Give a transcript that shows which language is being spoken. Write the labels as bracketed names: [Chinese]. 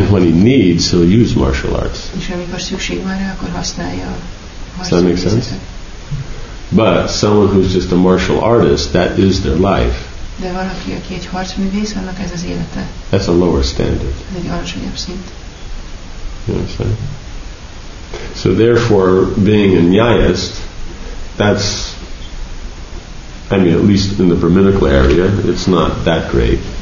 [English] And when he needs, he'll use martial arts. [Hungarian] És amikor szükség van rá, akkor használja a harcművészetet. [English] Does that make sense? But someone who's just a martial artist, that is their life. [Hungarian] De valaki, aki egy harcművész, annak ez az élete. [English] That's a lower standard. [Hungarian] Ez egy alacsonyabb szint. [English] You understand? So therefore, being a nyayist, that's, I mean, at least in the Brahminical area, it's not that great.